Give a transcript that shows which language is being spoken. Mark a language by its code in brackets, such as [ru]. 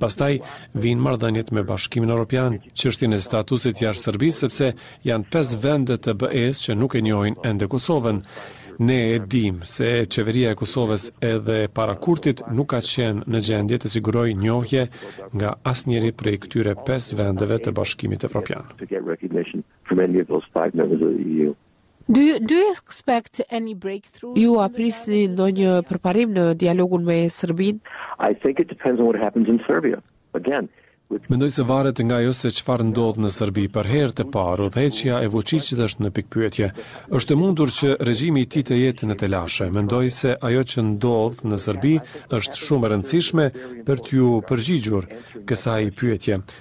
[sq] Pastaj vijnë marrëdhëniet me Bashkimin Evropian, çështjen e statusit jashtë Serbisë, sepse janë 5 vende të BE-s që nuk e njohin ende Kosovën. Ne e dim se qeveria e Kosovës edhe para kurtit nuk ka qenë në gjendje të siguroj njohje nga asnjëri prej këtyre 5 vendeve të Bashkimit Evropian. [en] Do you expect any breakthroughs? [sq] Ju aprisni ndonjë përparim në dialogun me Serbinë? [en] I think it depends on what happens in Serbia. Again, [sq] mendoj se varet nga ajo se çfarë ndodh në Serbi. Për herë të parë, udhëheqja e Vučićit është në pikpyetje. Është mundur që regjimi i tij të jetë në telashe. Mendoj se ajo që ndodh në Serbi është shumë e rëndësishme për t'ju përgjigjur kësaj pyetje.